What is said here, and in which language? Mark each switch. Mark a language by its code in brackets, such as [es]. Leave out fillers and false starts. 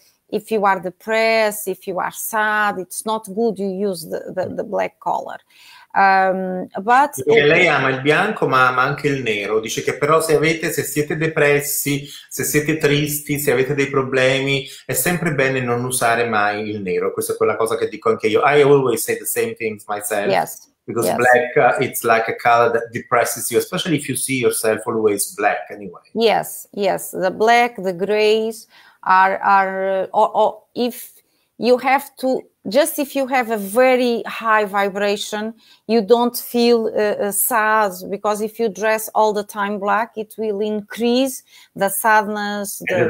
[en] If you are depressed, if you are sad, it's not good you use the black color. But [it] lei ama il bianco, ma anche il nero. Dice che però se siete depressi, se siete tristi, se avete dei problemi, è sempre bene non usare mai il nero. Questa è quella cosa che dico anche io. [en] I always say the same things myself. Yes. Because black, it's like a color that depresses you, especially if you see yourself always black anyway. Yes, yes. The black, the grays are, or if you have to, just if you have a very high vibration, you don't feel sad, because if you dress all the time black, it will increase the sadness,